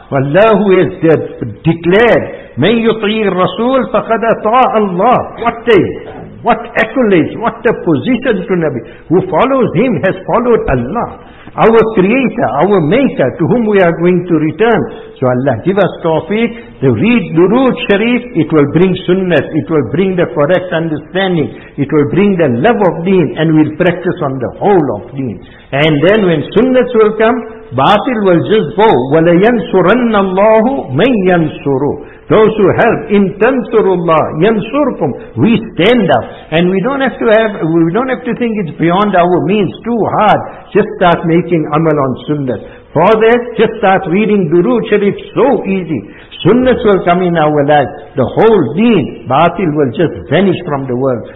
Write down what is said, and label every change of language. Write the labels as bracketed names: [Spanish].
[Arabic] والله [English] has declared, [Arabic] مَنْ يُطِعِ الرَّسُولِ فَقَدْ أَطَاعَ اللَّهِ. [English] What accolades, what a position to Nabi. Who follows him has followed Allah, our creator, our maker, to whom we are going to return. So Allah give us tawfiq. To read Durood Sharif, it will bring sunnah, it will bring the correct understanding, it will bring the love of deen, and we'll practice on the whole of deen. And then when sunnahs will come, batil will just go. [Arabic] وَلَيَنْصُرَنَّ اللَّهُ مَنْ يَنْصُرُ. [English] Those who help, [Arabic] إِنْ تَنْصُرُ اللَّهِ يَنْصُرْكُمْ. [English] We stand up, and we don't have to think it's beyond our means, too hard. Just start making amal on sunnah. For that, just start reading Durood Sharif, so easy. Sunnahs will come in our life, the whole deen, batil will just vanish from the world.